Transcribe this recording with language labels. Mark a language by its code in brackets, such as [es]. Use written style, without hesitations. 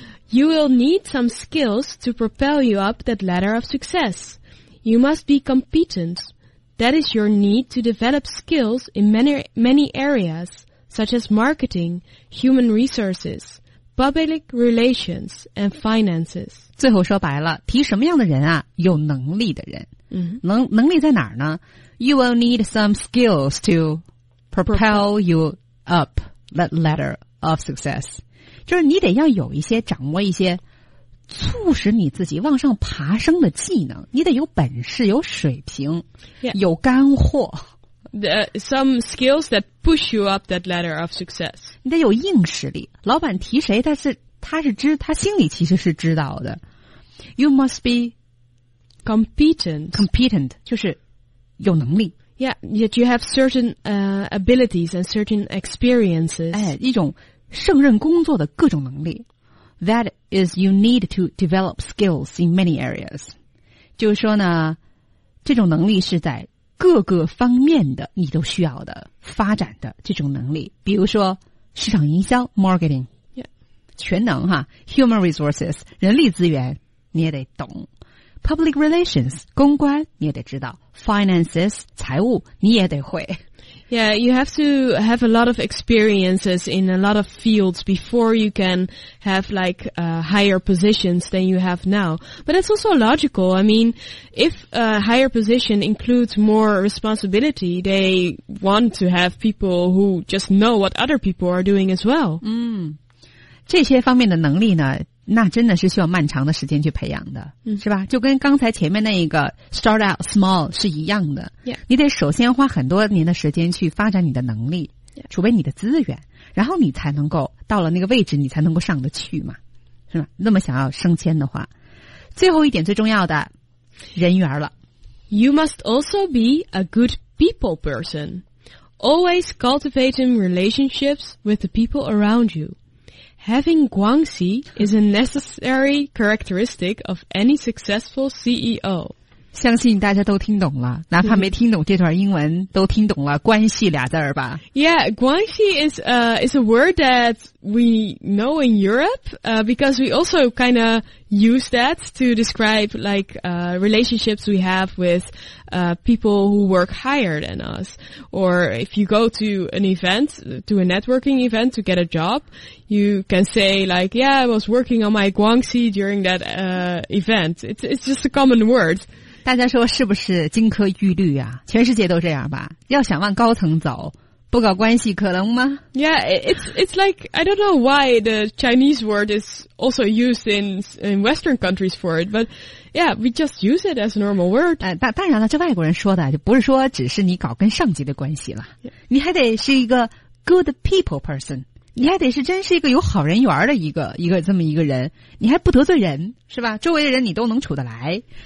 [en] You will need some skills to propel you up that ladder of success. You must be competent. That is your need to develop skills in many areas. Such as marketing, human resources, public relations, and finances. [zh] 最后说白了，提什么样的人啊？有能力的人。 Mm-hmm. 能力在哪儿呢？ [en] You will need some skills to propel you up that ladder of success. [zh] 就是你得要有一些掌握一些促使你自己往上爬升的技能。你得有本事，有水平， [en] yeah. [zh] 有干货。 [en] some skills that push you up that ladder of success. [zh] 你得有硬实力。老板提谁，他心里其实是知道的。 [en] You must be competent. [zh] Competent 就是有能力。 [en] Yeah, yet you have certain abilities and certain experiences. [zh] 哎，一种胜任工作的各种能力。 [en] That is, you need to develop skills in many areas. [zh] 就是说呢，这种能力是在各个方面的你都需要的发展的这种能力。比如说市场营销 marketing、 [en] yeah. [zh] 全能哈 human resources 人力资源你也得懂 public relations 公关你也得知道 finances 财务你也得会。 [en] Yeah, you have to have a lot of experiences in a lot of fields before you can have like, higher positions than you have now. But it's also logical. I mean, if a higher position includes more responsibility, they want to have people who just know what other people are doing as well. [zh] 嗯，这些方面的能力呢，那真的是需要漫长的时间去培养的、嗯、是吧，就跟刚才前面那一个 [en] start out small [zh] 是一样的、 [en] yeah. [zh] 你得首先花很多年的时间去发展你的能力、 [en] yeah. [zh] 储备你的资源，然后你才能够到了那个位置，你才能够上得去嘛，是吧，那么想要升迁的话，最后一点最重要的人缘了。 [en] You must also be a good people person. Always cultivating relationships with the people around youHaving Guangxi is a necessary characteristic of any successful CEO. [zh] 相信大家都听懂了，哪怕没听懂这段英文，都听懂了关系俩字儿吧。 [en] Yeah, Guangxi is a word that we know in Europe, because we also kind of use that to describe like, relationships we have with, people who work higher than us. Or if you go to an event, to a networking event to get a job,You can say like, yeah, I was working on my Guangxi during that, event. It's just a common word. [zh] 大家说是不是金科玉律啊？全世界都这样吧？要想往高层走，不搞关系可能吗？ [en] Yeah, it's like, I don't know why the Chinese word is also used in Western countries for it, but yeah, we just use it as a normal word. [zh] 当然了，这外国人说的就不是说只是你搞跟上级的关系了。你还得是一个 [en] good people person. [zh] 你还得是真是一个有好人缘的一个这么一个人，你还不得罪人，是吧，周围的人你都能处得来。